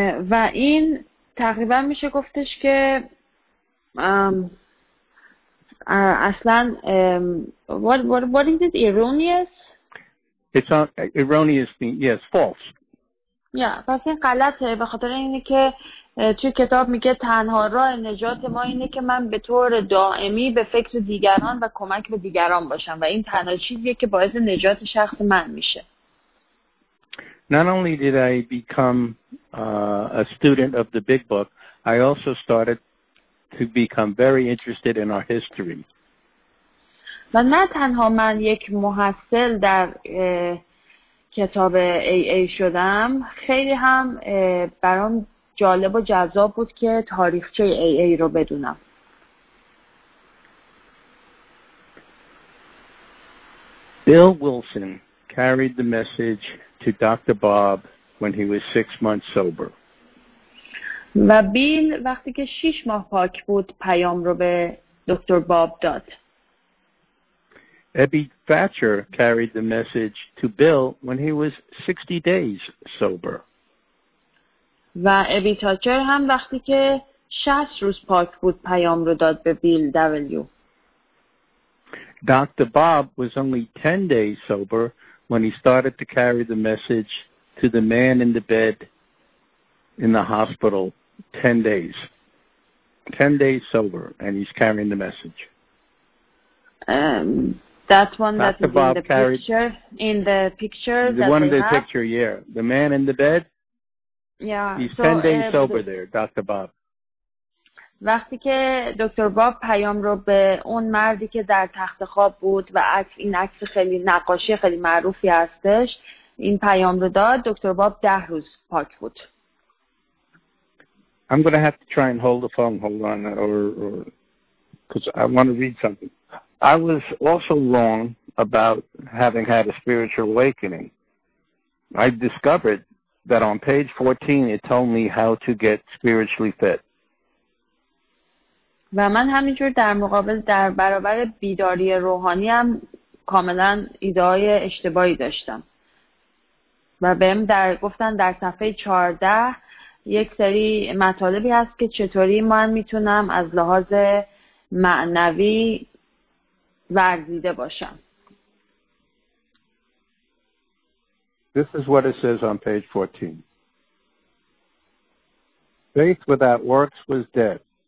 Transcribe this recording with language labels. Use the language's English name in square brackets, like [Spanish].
[Persian] و این تقریبا میشه گفتش که اصلا [English] what is it erroneous? It's not erroneous, yes, false. [Persian] Yeah, پس این غلطه به خاطر اینه که توی کتاب میگه تنها راه نجات ما اینه که من به طور دائمی به فکر دیگران و کمک به دیگران باشم و این تنها چیزیه که باعث نجات شخص من میشه. [English] Not only did I become a student of the big book, I also started to become very interested in our history. [Persian] و نه تنها من یک محصل در کتاب AA شدم، خیلی هم برام جالب و جذاب بود که تاریخچه AA رو بدونم. [English] Bill Wilson carried the message to Dr. Bob when he was 6 months sober. [Persian] و بیل وقتی که 6 ماه پاک بود پیام رو به دکتر باب داد. [English] Abby Thatcher carried the message to Bill when he was 60 days sober. [Persian] و ابی تاچر هم وقتی که 60 روز پاک بود پیام رو داد به بیل دبلیو. [English] Dr. Bob was only 10 days sober when he started to carry the message to the man in the bed in the hospital 10 days. 10 days sober, and he's carrying the message. That one that is in the picture? In the picture? The one in the picture, yeah. The man in the bed? Yeah. He's 10 days sober there, Dr. Bob. [Persian] وقتی که دکتر باب پیام رو به اون مردی که در تخت خواب بود و عکس این عکس خیلی نقاشی خیلی معروفی هستش این پیام رو داد دکتر باب 10 روز پاک بود. [English] I'm going to have to try and hold the phone, hold on, or because I want to read something. I was also wrong about having had a spiritual awakening. I discovered that on page 14 it told me how to get spiritually fit. [Persian] و من همینجور در مقابل در برابر بیداری روحانی هم کاملا ایده‌های اشتباهی داشتم و بهم در گفتن در صفحه 14 یک سری مطالبی هست که چطوری من میتونم از لحاظ معنوی ورزیده باشم. [English] This is what it says on page 14. Faith without works was dead.